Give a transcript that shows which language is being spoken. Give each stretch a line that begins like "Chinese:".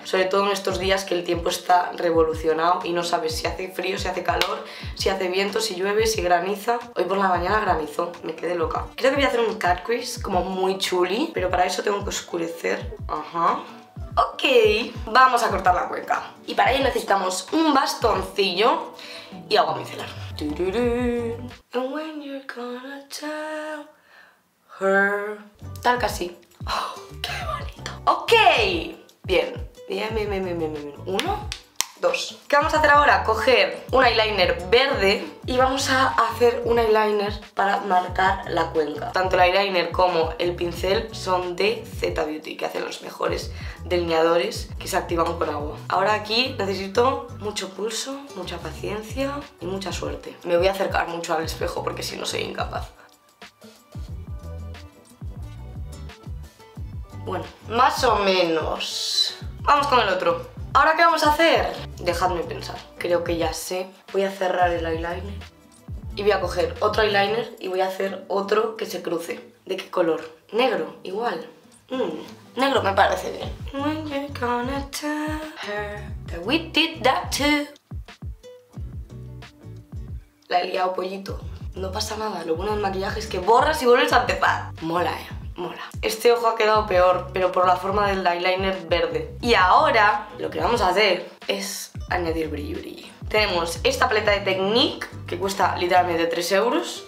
Spanish: Sobre todo en estos días que el tiempo está revolucionado y no sabes si hace frío, si hace calor, si hace viento, si llueve, si graniza. Hoy por la mañana granizó, me quedé loca. Creo que voy a hacer un cat crease como muy chuli, pero para eso tengo que oscurecer. Ajá. Ok, vamos a cortar la cuenca. Y para ello necesitamos un bastoncillo y agua micelar.
English: And when you're gonna tell her.
Spanish: Tal que así. Oh, ¡qué bonito! Ok, bien. Bien, bien, bien, bien, bien, bien. Uno, dos. ¿Qué vamos a hacer ahora? Coger un eyeliner verde y vamos a hacer un eyeliner para marcar la cuenca. Tanto el eyeliner como el pincel son de Zeta Beauty, que hacen los mejores delineadores que se activan con agua. Ahora aquí necesito mucho pulso, mucha paciencia y mucha suerte. Me voy a acercar mucho al espejo porque si no soy incapaz. Bueno, más o menos. Vamos con el otro. ¿Ahora qué vamos a hacer? Dejadme pensar. Creo que ya sé. Voy a cerrar el eyeliner y voy a coger otro eyeliner y voy a hacer otro que se cruce. ¿De qué color? Negro, igual. Negro me parece bien.
English: When you're gonna tell her that we did that too.
Spanish: La he liado pollito. No pasa nada, lo bueno del maquillaje es que borras y vuelves a empezar. Mola, mola. Este ojo ha quedado peor, pero por la forma del eyeliner verde. Y ahora lo que vamos a hacer es añadir brillo, brillo. Tenemos esta paleta de Technique, que cuesta literalmente 3 euros.